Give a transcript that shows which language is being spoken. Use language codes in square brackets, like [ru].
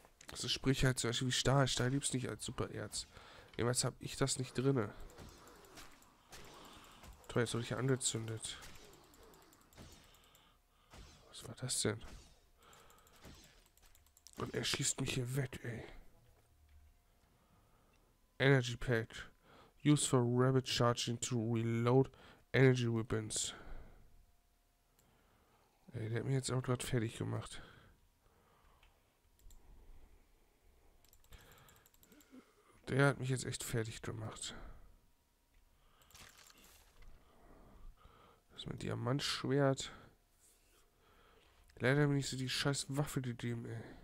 [de] Also sprich halt zum Beispiel wie Stahl. Stahl gibt es nicht als Supererz. Jedenfalls habe ich das nicht drinne. Toll, jetzt wurde ich hier angezündet. Was war das denn? Und er schießt mich hier weg, ey. [en] Energy Pack. Use for rapid charging to reload energy weapons. [de] Ey, der hat mich jetzt auch gerade fertig gemacht. Der hat mich jetzt echt fertig gemacht. Das mit Diamantschwert. Leider bin ich so die scheiß Waffe gegeben, ey.